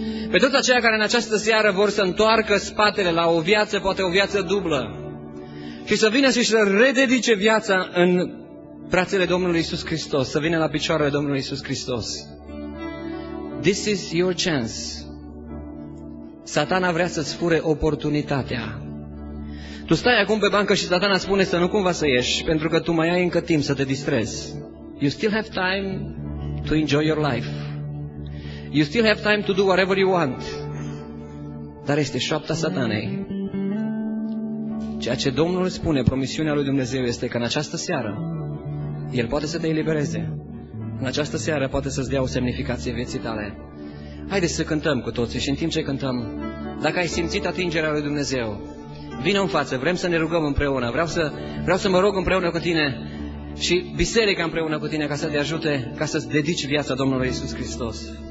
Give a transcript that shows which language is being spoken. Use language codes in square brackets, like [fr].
[ro] Pe toți aceia care în această seară vor să întoarcă spatele la o viață, poate o viață dublă, și să vină și să rededice viața în brațele Domnului Iisus Hristos, să vină la picioarele Domnului Iisus Hristos. [en] This is your chance. [ro] Satana vrea să-ți fure oportunitatea. Tu stai acum pe bancă și Satana spune să nu cumva să ieși, pentru că tu mai ai încă timp să te distrezi. [en] You still have time to enjoy your life. You still have time to do whatever you want. [ro] Dar este șoapta Satanei. Ceea ce Domnul spune, promisiunea lui Dumnezeu este că în această seară El poate să te elibereze. În această seară poate să-ți dea o semnificație vieții tale. Haideți să cântăm cu toții și în timp ce cântăm, dacă ai simțit atingerea lui Dumnezeu, vină în față, vrem să ne rugăm împreună, vreau să mă rog împreună cu tine și biserica împreună cu tine ca să te ajute, ca să-ți dedici viața Domnului Iisus Hristos.